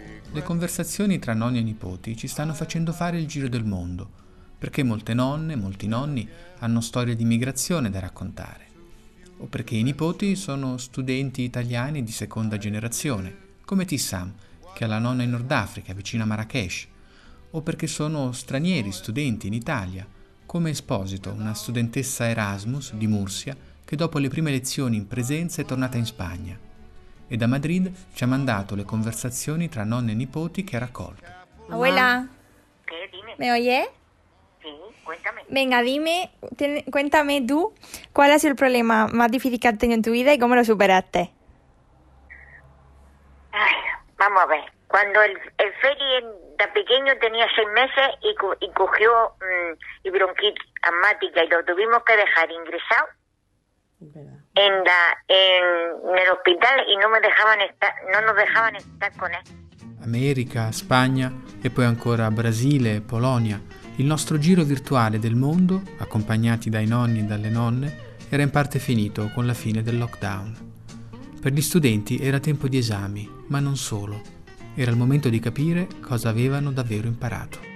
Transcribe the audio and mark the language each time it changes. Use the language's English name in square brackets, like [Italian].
[Italian] Le conversazioni tra nonni e nipoti ci stanno facendo fare il giro del mondo, perché molte nonne, molti nonni hanno storie di migrazione da raccontare, o perché i nipoti sono studenti italiani di seconda generazione, come Tissam, che ha la nonna in Nord Africa, vicino a Marrakesh, o perché sono stranieri studenti in Italia, come Esposito, una studentessa Erasmus di Murcia che dopo le prime lezioni in presenza è tornata in Spagna. E da Madrid ci ha mandato le conversazioni tra nonne e nipoti che ha raccolto. [Spanish] Abuela. ¿Qué? Dime. ¿Me oye? Sí, cuéntame. Venga, dime, cuéntame tú, ¿cuál es el problema más difícil que has tenido en tu vida y cómo lo superaste? Ay, vamos a ver. Cuando el ferry de pequeño tenía 6 meses y cogió bronquitis asmática y lo tuvimos que dejar ingresado, en el hospital y no nos dejaban estar con él. [Italian] America, Spagna e poi ancora Brasile, Polonia. Il nostro giro virtuale del mondo, accompagnati dai nonni e dalle nonne, era in parte finito con la fine del lockdown. Per gli studenti era tempo di esami, ma non solo. Era il momento di capire cosa avevano davvero imparato.